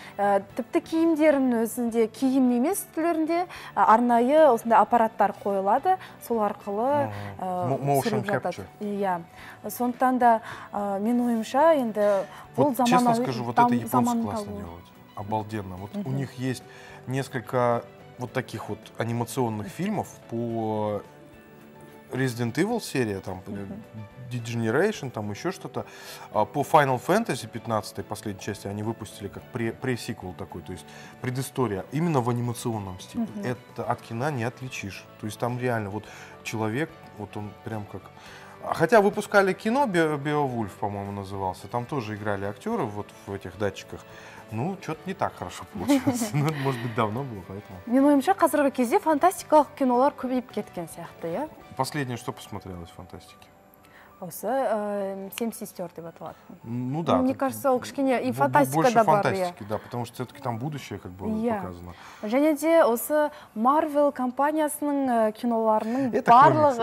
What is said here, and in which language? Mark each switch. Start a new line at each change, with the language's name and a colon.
Kazakh: Тіпті киімдерін өзінде, киім емес түрлерінде арнайы осында аппараттар қойылады, сол арқылы түсіріп жатады. Иә. Сондықтан да мен ойымша, енді бұл заманауи,
Russian: Обалденно. Вот у них есть несколько вот таких вот анимационных фильмов по Resident Evil серии, там, Degeneration, там еще что-то. По Final Fantasy 15, последней части, они выпустили как пресиквел такой, то есть предыстория. Именно в анимационном стиле. Это от кино не отличишь. То есть там реально вот человек, вот он прям как... Хотя выпускали кино, Беовульф, по-моему, назывался, там тоже играли актеры вот в этих датчиках. Ну, что-то не так хорошо получилось. Ну, может быть, давно было, поэтому.
Kazakh: Мен ойымша, қазіргі кезде фантастикалық кинолар көбейіп кеткен сияқты, иә?
Russian: Последнее, что посмотрелось в фантастике?
Kazakh: Осы, «Семь сестер» деп аталады.
Russian: Ну, да. Мне кажется,
Kazakh: ол кішкене и фантастика да бар, иә?
Russian: Больше фантастики, да, потому что все-таки там будущее как бы показано.
Kazakh: Және де осы Marvel компаниясының киноларының барлығы...